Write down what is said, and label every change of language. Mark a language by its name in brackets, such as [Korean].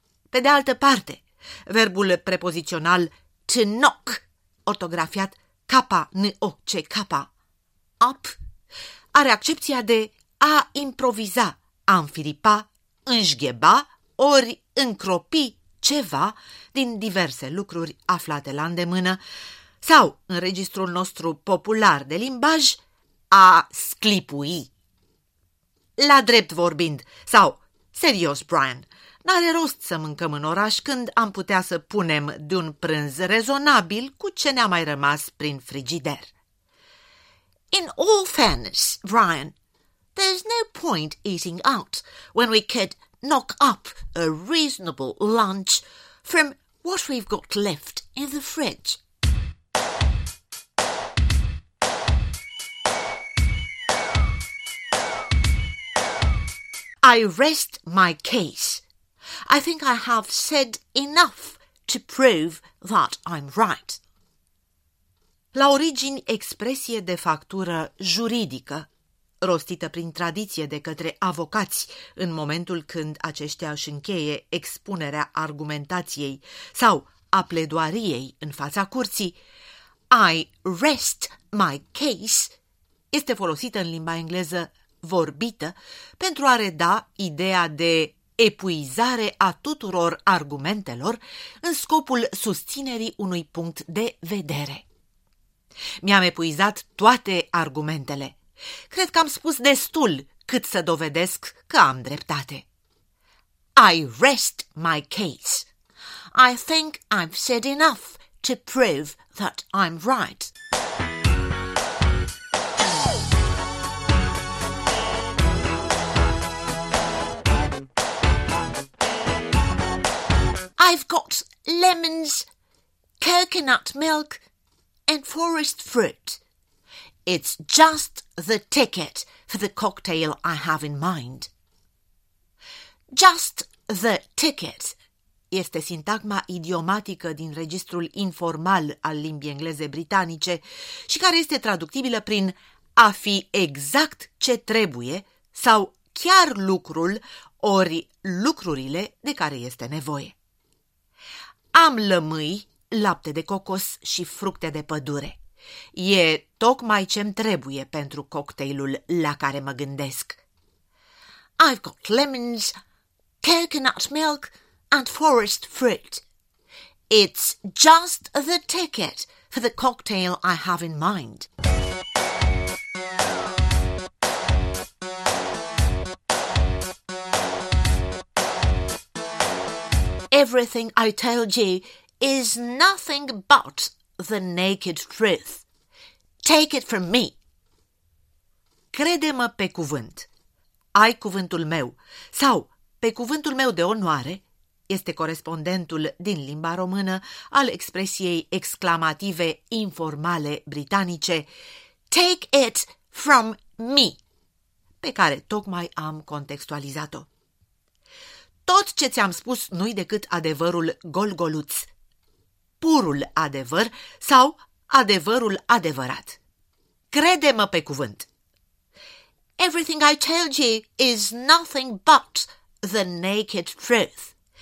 [Romanian] Pe de altă parte, verbul prepozițional to knock, ortografiat K-N-O-C-K, up, are accepția de a improviza, a înfiripa, înșgheba ori încropi ceva din diverse lucruri aflate la îndemână sau, în registrul nostru popular de limbaj, a sclipui. La drept vorbind, sau serios, Brian, n-are rost să mâncăm în oraș când am putea să punem de un prânz rezonabil cu ce ne-a mai rămas prin frigider. [English] In all fairness, Ryan, there's no point eating out when we could knock up a reasonable lunch from what we've got left in the fridge. I rest my case. I think I have said enough to prove that I'm right. [Romanian] La origini, expresie de factură juridică, rostită prin tradiție de către avocați în momentul când aceștia își încheie expunerea argumentației sau a pledoariei în fața curții, [English] I rest my case, [Romanian] este folosită în limba engleză vorbită pentru a reda ideea de epuizare a tuturor argumentelor în scopul susținerii unui punct de vedere. Mi-am epuizat toate argumentele. Cred că am spus destul cât să dovedesc că am dreptate. [English] I rest my case. I think I've said enough to prove that I'm right. I've got lemons, coconut milk, and forest fruit. It's just the ticket for the cocktail I have in mind. Just the ticket [Romanian] este sintagma idiomatică din registrul informal al limbii engleze britanice și care este traductibilă prin a fi exact ce trebuie sau chiar lucrul ori lucrurile de care este nevoie. Am lămâi, lapte de cocos și fructe de pădure. E tocmai ce-mi trebuie pentru cocktailul la care mă gândesc. [English] I've got lemons, coconut milk and forest fruit. It's just the ticket for the cocktail I have in mind. Everything I told you is nothing but the naked truth. Take it from me. [Romanian] Crede-mă pe cuvânt. Ai cuvântul meu. Sau, pe cuvântul meu de onoare, este corespondentul din limba română al expresiei exclamative informale britanice [English] Take it from me, [Romanian] pe care tocmai am contextualizat-o. Tot ce ți-am spus nu-i decât adevărul golgoluț, purul adevăr sau adevărul adevărat. Crede-mă pe cuvânt! [English] Everything I told you is nothing but the naked truth.